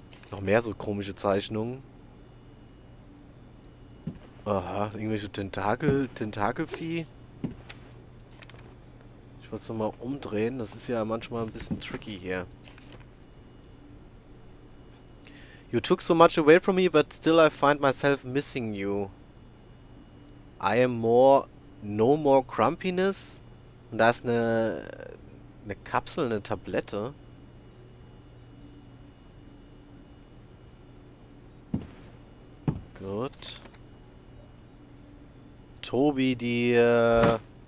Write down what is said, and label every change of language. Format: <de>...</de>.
<de>Noch mehr so komische Zeichnungen. Aha, irgendwelche Tentakelvieh. Ich wollte es nochmal umdrehen. Das ist ja manchmal ein bisschen tricky hier.</de> <en>You took so much away from me, but still I find myself missing you. I am more, no more crumpiness.</en> <de>Und da ist eine Kapsel, eine Tablette. Gut. Toby, die.</de>